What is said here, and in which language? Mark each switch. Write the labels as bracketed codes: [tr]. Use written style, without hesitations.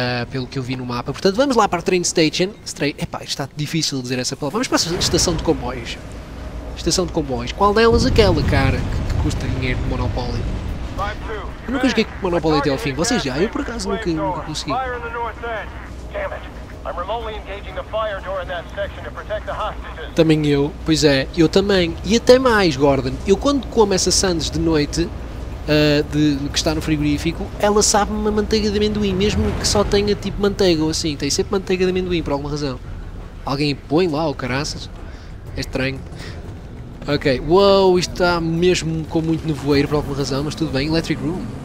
[pt] Pelo que eu vi no mapa, portanto vamos lá para a Train Station. Epá, está difícil dizer essa palavra. Vamos para a estação de comboios. Estação de comboios, qual delas? Aquela, cara, que custa dinheiro de Monopoly. Eu nunca joguei com Monopoly até ao fim, vocês já? Eu por acaso nunca consegui. Fire no norte. [en] I'm remotely engaging the fire door in that section to protect the hostages. [pt] Também eu, pois é, eu também. E até mais, Gordon, eu quando como essa sandes de noite que está no frigorífico, ela sabe-me uma manteiga de amendoim, mesmo que só tenha tipo manteiga ou assim, tem sempre manteiga de amendoim por alguma razão. Alguém põe lá, ou caraças? É estranho. Ok, uou, isto está mesmo com muito nevoeiro por alguma razão, mas tudo bem. Electric Room.